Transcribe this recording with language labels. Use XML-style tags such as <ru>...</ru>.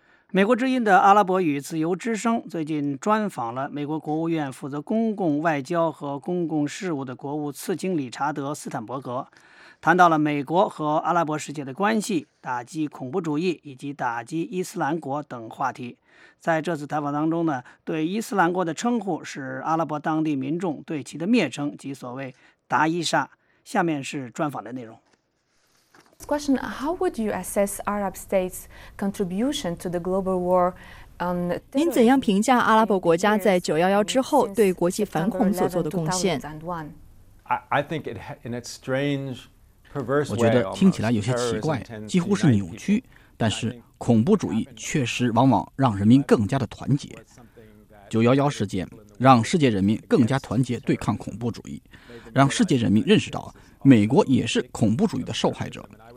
<zh>美国之音的阿拉伯语自由之声最近专访了美国国务院负责公共外交和公共事务的国务次卿理查德·斯坦伯格，谈到了美国和阿拉伯世界的关系、打击恐怖主义以及打击伊斯兰国等话题。在这次采访当中呢，对伊斯兰国的称呼是阿拉伯当地民众对其的蔑称，即所谓达伊沙。下面是专访的内容。</zh> <en>Question: How would you assess Arab states' contribution to the global war?</en> <zh>您怎样评价阿拉伯国家在911之后对国际反恐所做的贡献？</zh> <en>I think it in a strange, perverse way.</en> <zh>我觉得听起来有些奇怪，几乎是扭曲。但是恐怖主义确实往往让人民更加的团结。 911事件让世界人民更加团结对抗恐怖主义，让世界人民认识到美国也是恐怖主义的受害者。</zh>